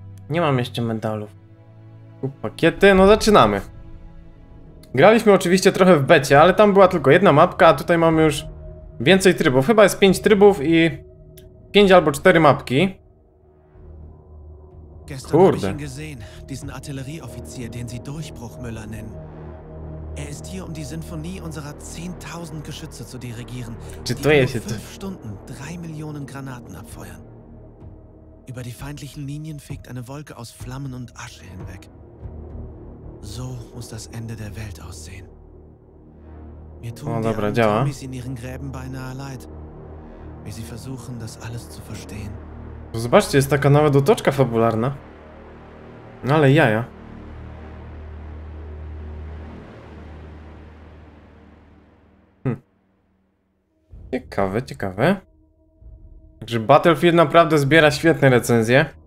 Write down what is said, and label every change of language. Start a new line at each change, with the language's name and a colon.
Polish: Nie mam jeszcze medalów. Kup pakiety. No zaczynamy. Graliśmy oczywiście trochę w becie, ale tam była tylko jedna mapka, a tutaj mamy już więcej trybów. Chyba jest 5 trybów i 5 albo 4 mapki. Kurde.
German: Gesehen, diesen Artillerieoffizier, den sie Durchbruchmüller nennen. Er ist hier, um die Sinfonie unserer 10.000 Geschütze zu dirigieren.
Polish: Czy to jest
German: jetzt 5 Stunden 3 Millionen Granaten abfeuern. Über die feindlichen Linien fegt eine Wolke aus Flammen und Asche hinweg. So muss das Ende der Welt aussehen. Mir tun Tommys in ihren Gräben beinahe leid, wie sie versuchen, das alles zu verstehen.
Polish: Zobaczcie, jest taka nawet otoczka fabularna. No ale jaja. Ciekawe. Także Battlefield naprawdę zbiera świetne recenzje.